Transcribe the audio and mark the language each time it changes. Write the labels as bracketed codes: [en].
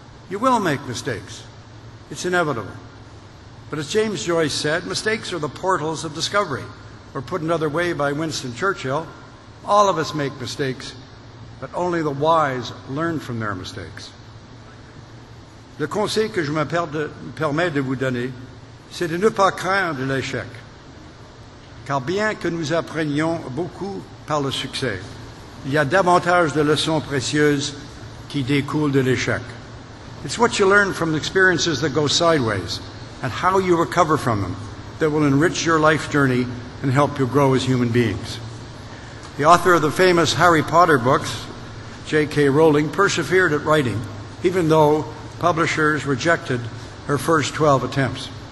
[en] You will make mistakes. It's inevitable. But as James Joyce said, mistakes are the portals of discovery. Or put another way by Winston Churchill, all of us make mistakes, but only the wise learn from their mistakes. [fr] Le conseil que je me permets de vous donner, c'est de ne pas craindre de l'échec. Car bien que nous apprenions beaucoup par le succès, il y a davantage de leçons précieuses qui découlent de l'échec. [en] It's what you learn from experiences that go sideways and how you recover from them that will enrich your life journey and help you grow as human beings. The author of the famous Harry Potter books, J.K. Rowling, persevered at writing, even though publishers rejected her first 12 attempts.